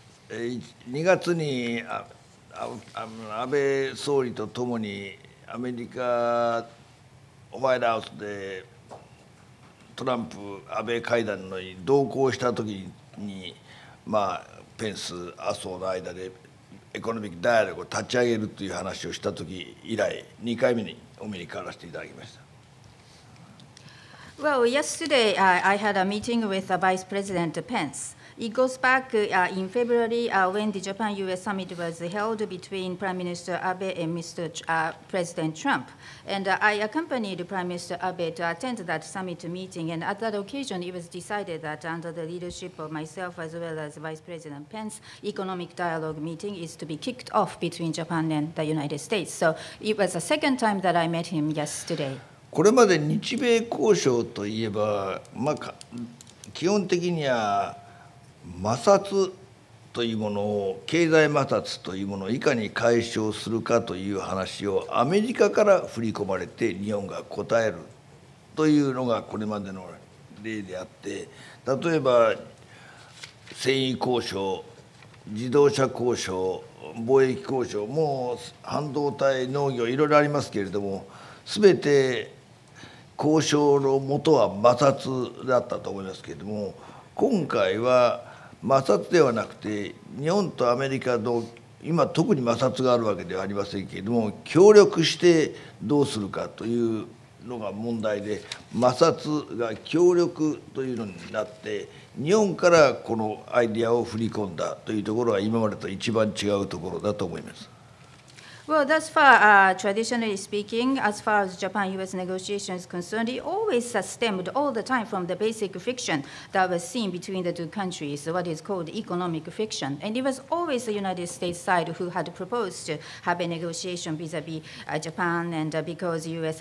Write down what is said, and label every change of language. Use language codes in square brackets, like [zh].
[ja] 2月に安倍総理とともにアメリカホワイトハウスでトランプ安倍会談のに同行した時に、まあ、ペンス麻生の間でエコノミックダイアログを立ち上げるという話をした時以来2回目にお目にかからせていただきました。 [en] Well, yesterday I had a meeting with Vice President Pence. It goes back in February when the Japan-U.S. summit was held between Prime Minister Abe and Mr. President Trump. And I accompanied Prime Minister Abe to attend that summit meeting. And at that occasion, it was decided that under the leadership of myself as well as Vice President Pence, economic dialogue meeting is to be kicked off between Japan and the United States. So it was the second time that I met him yesterday. [ja] これまで日米交渉といえば、まあ、基本的には摩擦というものを経済摩擦というものをいかに解消するかという話をアメリカから振り込まれて日本が答えるというのがこれまでの例であって、例えば繊維交渉、自動車交渉、貿易交渉、もう半導体、農業、いろいろありますけれども、すべて交渉のもとは摩擦だったと思いますけれども、今回は摩擦ではなくて、日本とアメリカの今特に摩擦があるわけではありませんけれども、協力してどうするかというのが問題で、摩擦が協力というのになって、日本からこのアイデアを振り込んだというところが今までと一番違うところだと思います。 [en] Well, thus far, traditionally speaking, as far as Japan-U.S. negotiations is concerned, it always stemmed all the time from the basic friction that was seen between the two countries, what is called economic friction. And it was always the United States side who had proposed to have a negotiation vis-a-vis Japan, and because the U.S.